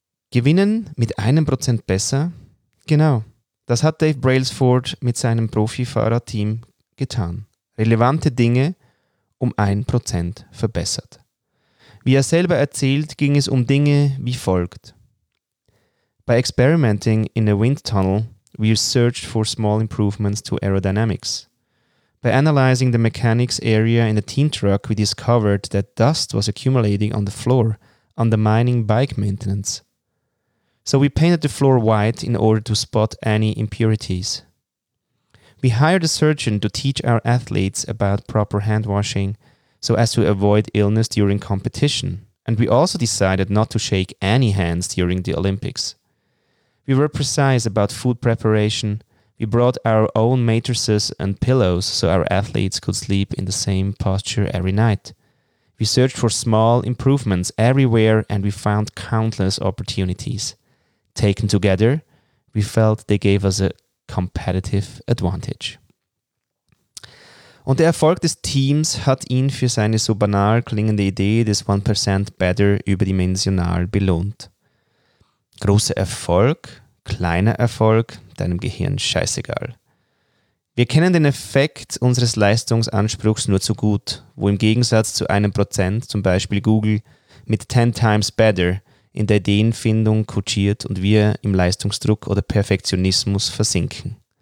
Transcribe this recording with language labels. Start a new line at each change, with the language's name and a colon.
German: Gewinnen mit 1% besser? Genau, das hat Dave Brailsford mit seinem Profifahrerteam getan. Relevante Dinge um 1% verbessert. Wie er selber erzählt, ging es um Dinge wie folgt.
English: By experimenting in a wind tunnel, we searched for small improvements to aerodynamics. By analyzing the mechanics area in the team truck, we discovered that dust was accumulating on the floor, undermining bike maintenance. So we painted the floor white in order to spot any impurities. We hired a surgeon to teach our athletes about proper hand washing so as to avoid illness during competition. And we also decided not to shake any hands during the Olympics. We were precise about food preparation. We brought our own mattresses and pillows so our athletes could sleep in the same posture every night. We searched for small improvements everywhere and we found countless opportunities. Taken together, we felt they gave us a competitive advantage.
German: Und der Erfolg des Teams hat ihn für seine so banal klingende Idee des 1% Better überdimensional belohnt. Großer Erfolg, kleiner Erfolg, deinem Gehirn scheißegal. Wir kennen den Effekt unseres Leistungsanspruchs nur zu gut, wo im Gegensatz zu 1%, zum Beispiel Google, mit
English: 10 times better
German: in der Ideenfindung kutschiert und wir im Leistungsdruck oder Perfektionismus versinken.